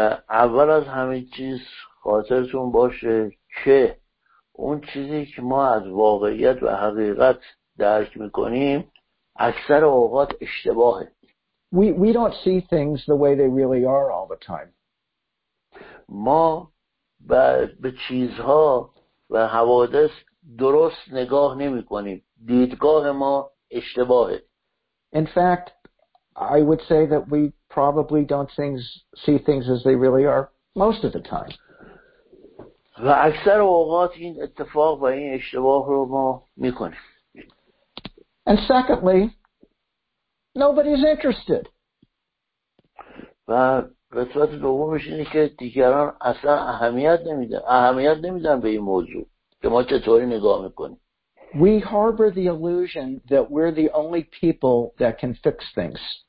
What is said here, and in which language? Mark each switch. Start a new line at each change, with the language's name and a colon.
Persian: اول از همه چیز خاطرتون باشه که اون چیزی که ما از واقعیت و حقیقت درک میکنیم اکثر اوقات اشتباهه.
English: We don't see things the way they really are all the time.
Persian: ما به چیزها و حوادث درست نگاه نمی کنیم. دیدگاه ما اشتباهه.
English: In fact, I would say that we probably don't see things as they really are most of the time.
Persian: و اکثر اوقات این اتفاق و این اشتباه رو ما میکنیم.
English: And secondly, nobody's interested.
Persian: و قسمت دومش اینه که دیگران اصلا اهمیت نمیدن به این موضوع که ما چطوری نگاه میکنیم.
English: We harbor the illusion that we're the only people that can fix things.